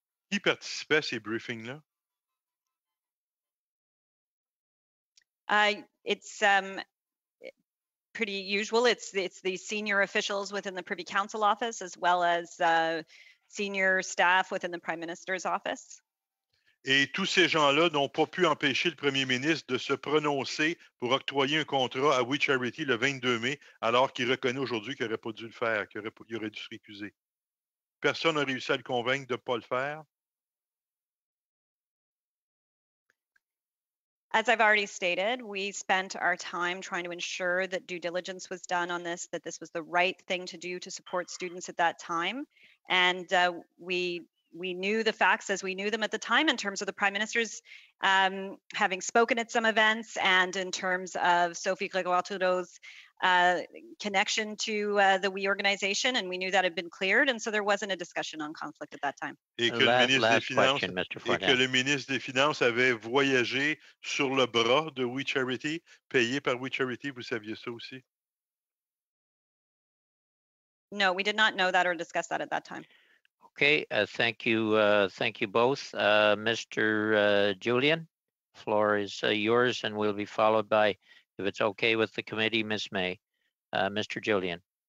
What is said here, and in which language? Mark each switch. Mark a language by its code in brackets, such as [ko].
[fr] Qui participait à ces briefings-là? [en] It's pretty usual. It's the senior officials within the Privy Council office, as well as senior staff within the Prime Minister's office. [fr] Et tous ces gens-là n'ont pas pu empêcher le Premier ministre de se prononcer pour octroyer un contrat à We Charity le 22 mai, alors qu'il reconnaît aujourd'hui qu'il n'aurait pas dû le faire, qu'il aurait dû se récuser. Personne n'a réussi à le convaincre de ne pas le faire. [en] As I've already stated, we spent our time trying to ensure that due diligence was done on this, that this was the right thing to do to support students at that time. And we knew the facts as we knew them at the time in terms of the Prime Minister's having spoken at some events and in terms of Sophie Grégoire Trudeau's connection to the WE organization. And we knew that had been cleared. And so there wasn't a discussion on conflict at that time. [fr] Et que le ministre des Finances avait voyagé sur le bras de WE Charity, payé par WE Charity, vous saviez ça aussi? [en] No, we did not know that or discuss that at that time. Okay, thank you. Thank you both. Mr. Julian, floor is yours, and we'll be followed by, if it's okay with the committee, Ms. May. Mr. Julian.